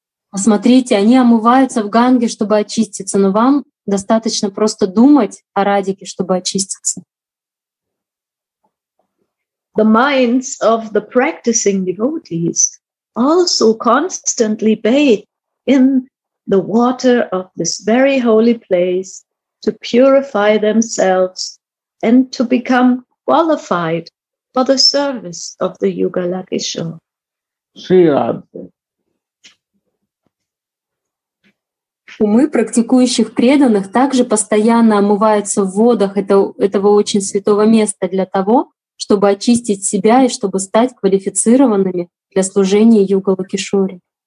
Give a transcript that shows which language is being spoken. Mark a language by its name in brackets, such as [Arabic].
[Russian] Посмотрите, они омываются в Ганге, чтобы очиститься, но вам достаточно просто думать о Радике, чтобы очиститься. [English] The minds of the practicing devotees also constantly bathe in the water of this very holy place to purify themselves and to become qualified for the service of the Yuga Lakisho. Sri Radha. [Russian] Умы практикующих преданных также постоянно омываются в водах этого очень святого места для того, чтобы очистить себя и чтобы стать квалифицированными для служения Юга Лакишори.